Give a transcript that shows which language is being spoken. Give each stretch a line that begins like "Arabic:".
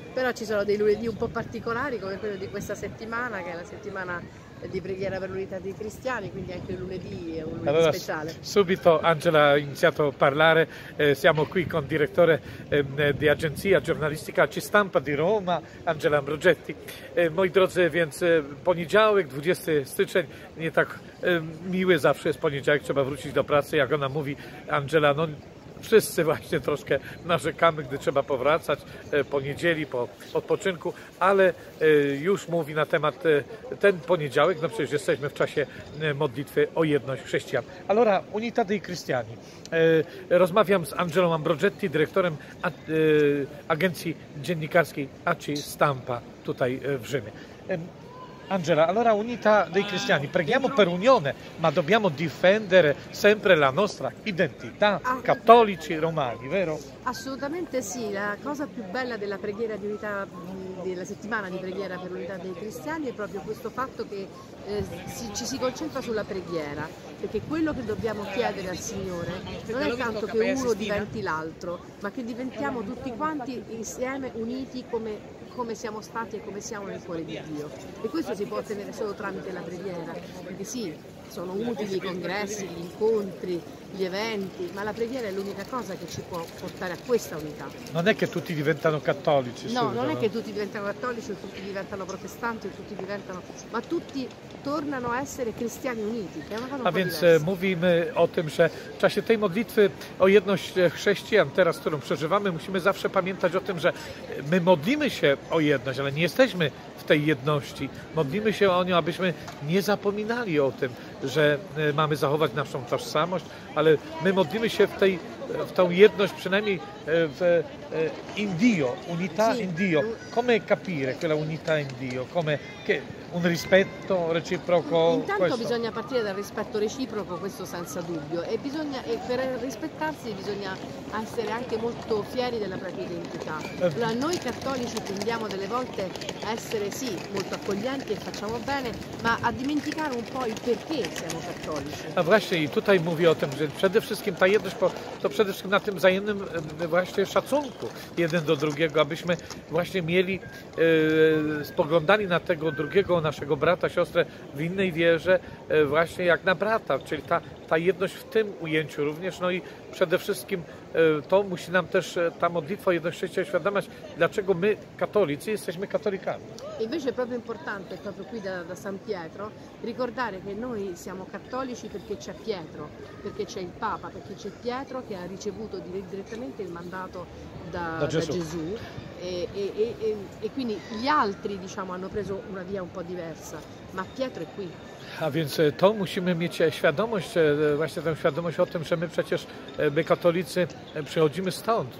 Italian: Però ci sono dei lunedì un po' particolari come quello di questa settimana, che è la settimana di preghiera per l'unità dei cristiani, quindi anche il lunedì è un lunedì allora, speciale. Subito Angela ha iniziato a parlare, siamo qui con il direttore di agenzia giornalistica Cistampa di Roma, Angela Ambrogetti. Moi drodzy, więc poniedziałek, 20 styczeń, nie tak miły zawsze jest poniedziałek, trzeba wrócić do pracy, jak ona mówi, Angela, no wszyscy właśnie troszkę narzekamy, gdy trzeba powracać po niedzieli, po odpoczynku, ale już mówi na temat ten poniedziałek, no przecież jesteśmy w czasie modlitwy o jedność chrześcijan. Allora, Unità dei Cristiani. Rozmawiam z Angelą Ambrogetti, dyrektorem agencji dziennikarskiej ACI Stampa tutaj w Rzymie. Angela, allora Unità dei Cristiani, preghiamo per unione, ma dobbiamo difendere sempre la nostra identità, cattolici romani, vero? Assolutamente sì, la cosa più bella della preghiera di unità, della settimana di preghiera per l'unità dei cristiani è proprio questo fatto che ci si concentra sulla preghiera, perché quello che dobbiamo chiedere al Signore non è tanto che uno diventi l'altro, ma che diventiamo tutti quanti insieme, uniti come siamo stati e come siamo nel cuore di Dio. E questo si può ottenere solo tramite la preghiera, perché sì, sono utili i congressi, gli incontri, gli eventi, ma la preghiera è l'unica cosa che ci può portare a questa unità. Non è che tutti diventano cattolici. No, subito, non è che tutti diventano cattolici o tutti diventano protestanti o tutti diventano, ma tutti tornano a essere cristiani uniti. Che è una cosa
Polish: a więc
Italian: diversa.
Polish: Mówimy o tym, że w czasie tej modlitwy o jedność chrześcijan, teraz którą przeżywamy, musimy zawsze pamiętać o tym, że my modlimy się o jedność, ale nie jesteśmy w tej jedności. Modlimy się o nią, abyśmy nie zapominali o tym, że mamy zachować naszą tożsamość, ale my modlimy się w tą jedność, przynajmniej w
Italian: in Dio, unità in Dio. Come capire quella unità in Dio? Come che un rispetto reciproco? Intanto questo. Bisogna partire dal rispetto reciproco, questo senza dubbio, e per rispettarsi bisogna essere anche molto fieri della propria identità. Allora, noi cattolici tendiamo delle volte a essere sì molto accoglienti e facciamo bene, ma a dimenticare un po' il perché siamo cattolici.
Polish: A właśnie i tutaj mówię o tym, że przede wszystkim ta jedność, to przede wszystkim na tym wzajemnym właśnie szacunku jeden do drugiego, abyśmy właśnie mieli spoglądali na tego drugiego naszego brata, siostrę w innej wierze właśnie jak na brata, czyli ta jedność w tym ujęciu również, no i przede wszystkim to musi nam też ta modlitwa jedność chrześcijan uświadamiać, dlaczego my katolicy jesteśmy katolikami.
Italian: Invece è proprio importante, proprio qui da San Pietro, ricordare che noi siamo cattolici perché c'è Pietro, perché c'è il Papa, perché c'è Pietro che ha ricevuto direttamente il mandato da Gesù. E quindi gli altri, diciamo, hanno preso una via un po' diversa, ma Pietro è qui.
Polish: A więc to musimy mieć świadomość, właśnie tę świadomość o tym, że my przecież, my katolicy, przychodzimy stąd.